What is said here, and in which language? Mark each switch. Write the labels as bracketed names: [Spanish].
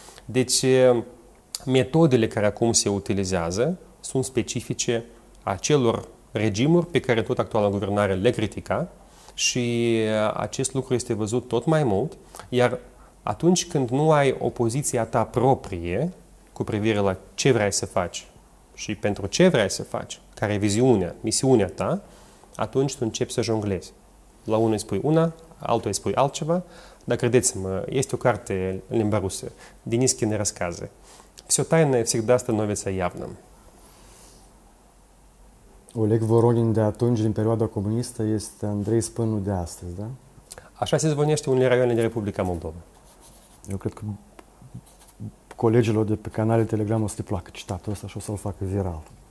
[Romanian] Deci metodele care acum se utilizează sunt specifice acelor regimuri pe care tot actuala guvernare le critica și acest lucru este văzut tot mai mult, iar atunci când nu ai opoziția ta proprie cu privire la ce vrei să faci și pentru ce vrei să faci, care e viziunea, misiunea ta, atunci tu începi să jonglezi. La unul îi spui una, altul îi spui altceva, dar credeți-mă, este o carte în limba rusă, Deniski ne rascaze. [Russian] Все тайное всегда становится явным. [Romanian] Олег Воронин de atunci, din perioada comunistă, este Andrei Spânu de astăzi, da? Așa se zvonește unele raioane din Republica Moldova. Eu cred că colegilor de pe canalul Telegram o să le placă citatul ăsta și o să-l facă viral.